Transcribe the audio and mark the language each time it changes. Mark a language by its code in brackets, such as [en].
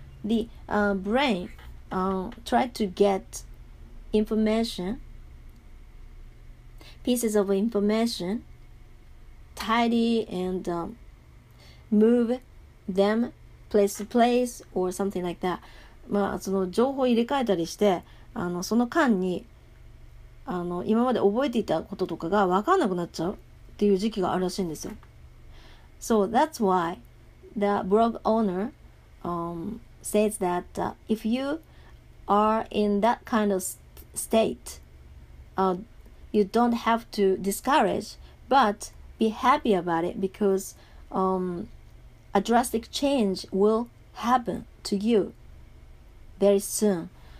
[en] The brain tried to get information, pieces of information, tidy and... move them place to place or something like that. [ja] まあその情報を入れ替えたりして、あのその間にあの今まで覚えていたこととかが分かんなくなっちゃうっていう時期があるらしいんですよ。 [en] So that's why the blog owner says that if you are in that kind of state you don't have to discourage but be happy about it becauseA drastic change will happen to you very soon.